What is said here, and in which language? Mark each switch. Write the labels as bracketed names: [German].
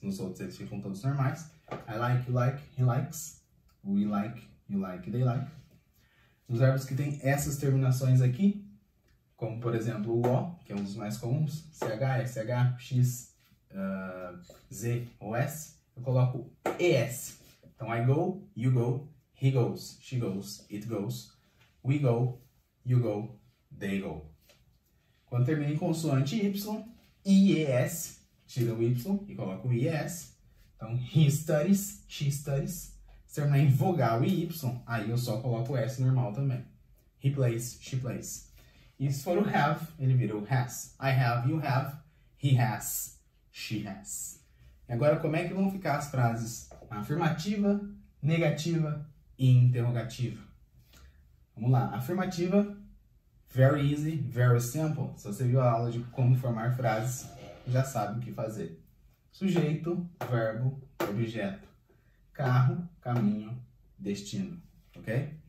[Portuguese] Nos outros, eles ficam todos normais. [English] I like, you like, he likes. We like, you like, they like. [Portuguese] Os verbos que têm essas terminações aqui, como, por exemplo, o O, que é um dos mais comuns, CH, SH, X, Z ou S, eu coloco ES. [English] Então, I go, you go, he goes, she goes, it goes, we go, you go, they go. [Portuguese] Quando termina em consoante Y, IES, tira o Y e coloco o IES. Então, [English] he studies, she studies. [Portuguese] Se terminar em vogal e Y, aí eu só coloco o S normal também. [English] He plays, she plays. [Portuguese] E se for o have, ele vira o has. [English] I have, you have, he has, she has. [Portuguese] E agora, como é que vão ficar as frases? Afirmativa, negativa e interrogativa. Vamos lá. [English] Afirmativa, very easy, very simple. [Portuguese] Se você viu a aula de como formar frases, já sabe o que fazer. Sujeito, verbo, objeto. Carro, caminho, destino, ok?